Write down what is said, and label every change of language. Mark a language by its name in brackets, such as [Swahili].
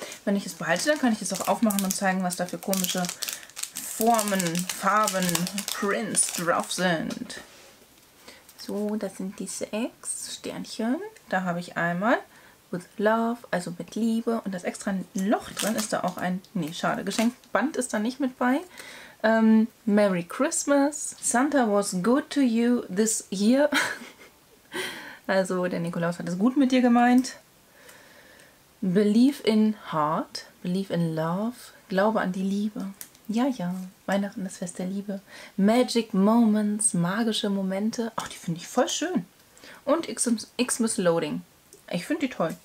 [German] Wenn ich es behalte, dann kann ich es auch aufmachen und zeigen, was da für komische Formen, Farben, Prints drauf sind. So, das sind die 6 Sternchen. Da habe ich einmal [English] with love, [German] also mit Liebe. Und das extra Loch drin ist da auch ein... Nee, schade. Geschenkband ist da nicht mit bei. [English] Merry Christmas. Santa was good to you this year. [German] Also, der Nikolaus hat es gut mit dir gemeint. [English] Believe in heart, believe in love, [German] glaube an die Liebe. Ja, ja, Weihnachten, das Fest der Liebe. [English] Magic moments, [German] magische Momente. Ach, die finde ich voll schön. Und [English] Xmas Loading. [German] Ich finde die toll.